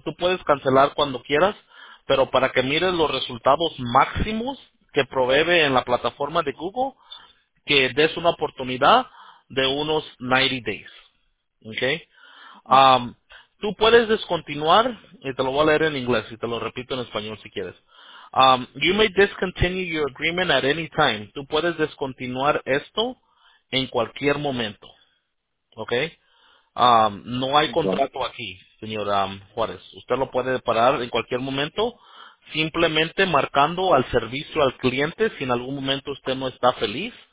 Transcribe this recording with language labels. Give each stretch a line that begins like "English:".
Spanish: Tú puedes cancelar cuando quieras, pero para que mires los resultados máximos que provee en la plataforma de Google, que des una oportunidad de unos
English: 90 days.
Spanish: ¿Ok? Tú puedes descontinuar, y te lo voy a leer en inglés, y te lo repito en español si quieres.
English: You may discontinue your agreement at any time.
Spanish: Tú puedes descontinuar esto en cualquier momento, ¿ok? No hay contrato aquí, señora Juárez. Usted lo puede parar en cualquier momento, simplemente marcando al servicio al cliente si en algún momento usted no está feliz.